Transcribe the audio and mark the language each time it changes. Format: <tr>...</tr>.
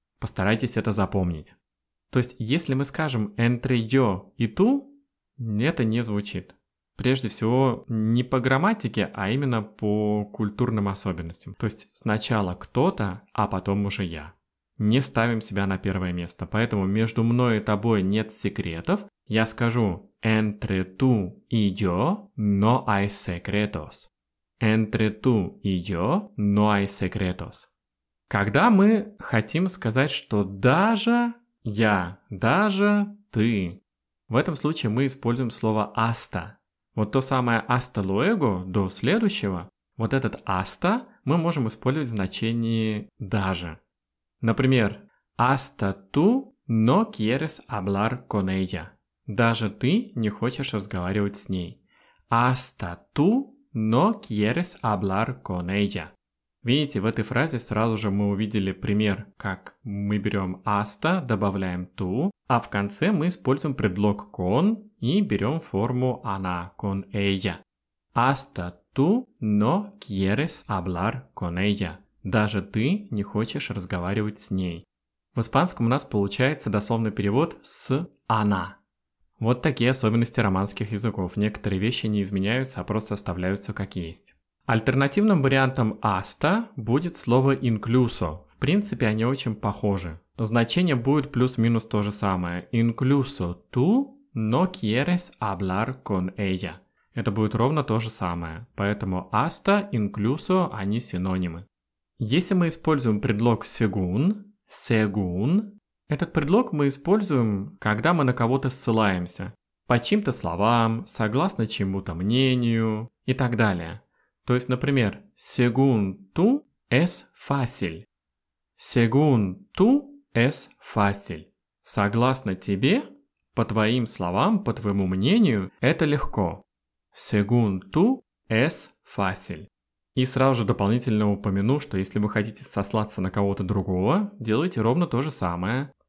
<ru>Постарайтесь это запомнить. То есть, если мы скажем «entre yo» и «tú», это не звучит. Прежде всего, не по грамматике, а именно по культурным особенностям. То есть, сначала кто-то, а потом уже я. Не ставим себя на первое место. Поэтому между мной и тобой нет секретов. Я скажу</ru> <es>«entre tú y yo no hay secretos». «Entre tú y yo no hay secretos».</es> <ru>Когда мы хотим сказать, что даже... Я, даже ты. В этом случае мы используем слово hasta. Вот то самое hasta luego, до следующего. Вот этот hasta мы можем использовать в значении даже.</ru> <es>Например, hasta tú no quieres hablar con ella.</es> <ru>Даже ты не хочешь разговаривать с ней.</ru> <es>Hasta tú no quieres hablar con ella.</es> <ru>Видите, в этой фразе сразу же мы увидели пример, как мы берем hasta, добавляем tú, а в конце мы используем предлог con и берем форму она, con ella.</ru> <es>Hasta tú no quieres hablar con ella.</es> <ru>Даже ты не хочешь разговаривать с ней. В испанском у нас получается дословный перевод с она. Вот такие особенности романских языков. Некоторые вещи не изменяются, а просто оставляются как есть. Альтернативным вариантом hasta будет слово incluso. В принципе, они очень похожи. Значение будет плюс-минус то же самое.</ru> <es>Incluso tú no quieres hablar con ella.</es> <ru>Это будет ровно то же самое. Поэтому hasta, incluso, они синонимы. Если мы используем предлог según, según, этот предлог мы используем, когда мы на кого-то ссылаемся. По чьим-то словам, согласно чьему-то мнению и так далее. То есть, например,</ru> <es>según tú es fácil. Según tú es fácil.</es> <ru>Согласно тебе, по твоим словам, по твоему мнению, это легко.</ru> <es>Según tú es fácil.</es> <ru>И сразу же дополнительно упомяну, что если вы хотите сослаться на кого-то другого, делайте ровно то же самое.</ru>